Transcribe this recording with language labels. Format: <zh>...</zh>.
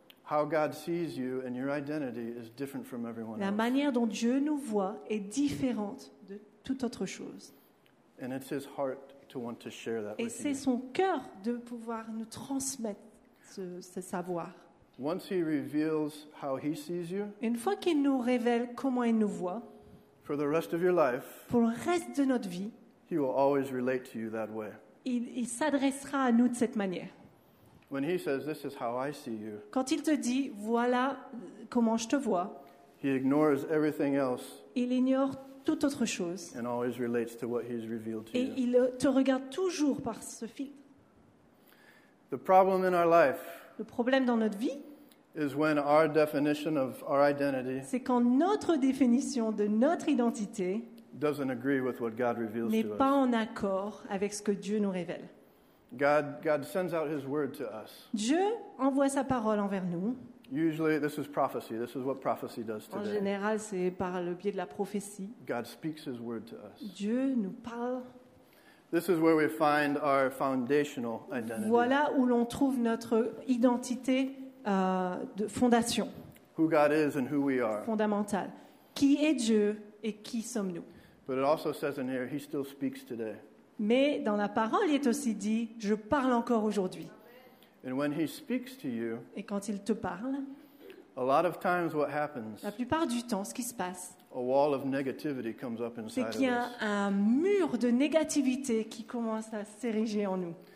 <en>How God sees you and your identity is different from everyone else.</en> <fr>La manière dont Dieu nous voit est différente de toute autre chose.</fr> <en>And it's his heart to want to share that with</en> <fr>you. Et c'est son cœur de pouvoir nous transmettre ce savoir.</fr> <en>Once he reveals how he sees you,</en> <fr>une fois qu'il nous révèle comment il nous voit,</fr> <en>for the rest of your life,</en> <fr>pour le reste de notre vie,</fr> <en>he will always relate to you that way.</en> <fr>Il s'adressera à nous de cette manière.</fr> <en>When he says, "This is how I see you,"</en> <fr>quand il te dit, voilà comment je te vois,</fr> <en>he ignores everything else.</en> <fr>Il ignore toute autre chose.</fr> <en>And always relates to what he's revealed to</en> <fr>et</fr> <en>you.</en> <fr>Et il te regarde toujours par ce filtre.</fr> <en>The problem in our life.</en> <fr>Le problème dans notre vie.</fr> <en>Is when our definition of our identity.</en> <fr>C'est quand notre définition de notre identité.</fr> <en>Doesn't agree with what God reveals to us.</en> <fr>N'est pas en accord avec ce que Dieu nous révèle.</fr> <en>God sends out his word to us.</en> <fr>Dieu envoie sa parole envers nous.</fr> <en>Usually this is prophecy. This is what prophecy does today.</en> <fr>En général, c'est par le biais de la prophétie.</fr> <en>God speaks his word to us.</en> <fr>Dieu nous parle.</fr> <en>This is where we find our foundational identity.</en> <fr>Voilà où l'on trouve notre identité de fondation.</fr> <en>Who God is and who we are.</en> <fr>Fondamentale. Qui est Dieu et qui sommes-nous?</fr> <en>But it also says in here he still speaks today.</en> <fr>Mais dans la parole, il est aussi dit, je parle encore aujourd'hui.</fr> <en>And when he speaks to you,</en> <fr>et quand il te parle,</fr> <en>a lot of times what happens,</en> <fr>la plupart du temps, ce qui se passe,</fr> <en>a wall of negativity comes up inside</en> <fr>c'est qu'il y a un mur de négativité qui commence à s'ériger en nous.</fr>